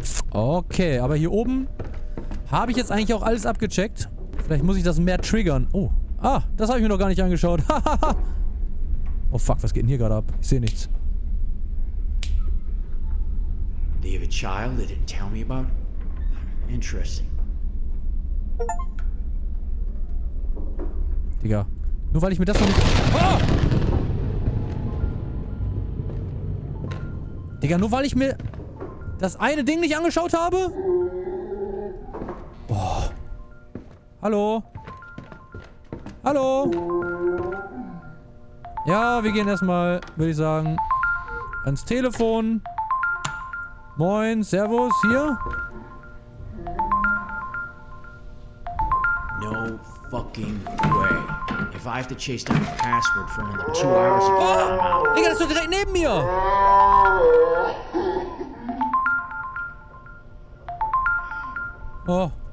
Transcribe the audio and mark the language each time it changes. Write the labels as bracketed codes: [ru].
[de] Okay, aber hier oben habe ich jetzt eigentlich auch alles abgecheckt. Vielleicht muss ich das mehr triggern. Oh, ah, das habe ich mir noch gar nicht angeschaut. Oh fuck, was geht denn hier gerade ab? Ich sehe nichts. [en] They have a child they didn't tell me about. Interesting. [de] Digga, nur weil ich mir das noch nicht... Ah! Digga, nur weil ich mir das eine Ding nicht angeschaut habe? Boah. Hallo? Hallo? Ja, wir gehen erstmal, würde ich sagen, ans Telefon. Moin, Servus, hier. [en] No fucking way. If I have to chase down a password for another 2 hours... Oh! [de] Digga, das ist doch direkt neben mir! Oh.